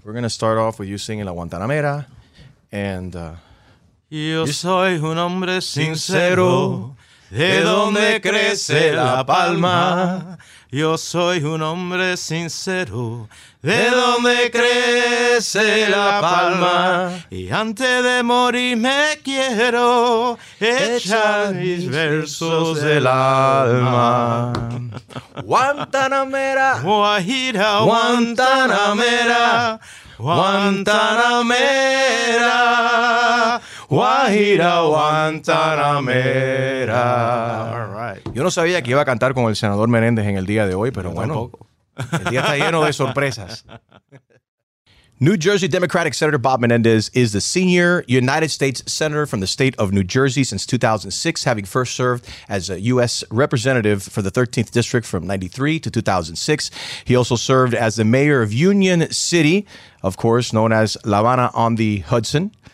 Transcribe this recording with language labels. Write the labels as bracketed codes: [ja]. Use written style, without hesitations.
[en] We're going to start off with you singing La Guantanamera. And [es] yo soy un hombre sincero, de donde crece la palma. Yo soy un hombre sincero, de donde crece la palma. Y antes de morir me quiero echar mis versos del alma. Guantanamera, Guajira, Guantanamera, Guantanamera, Guajira, Guantanamera. [en] All right. [es] Yo no sabía que iba a cantar con el senador Menéndez en el día de hoy, pero bueno, el día está lleno de sorpresas. [en] New Jersey Democratic Senator Bob Menéndez is the senior United States Senator from the state of New Jersey since 2006, having first served as a U.S. Representative for the 13th District from 93 to 2006. He also served as the mayor of Union City, of course, known as La Habana on the Hudson.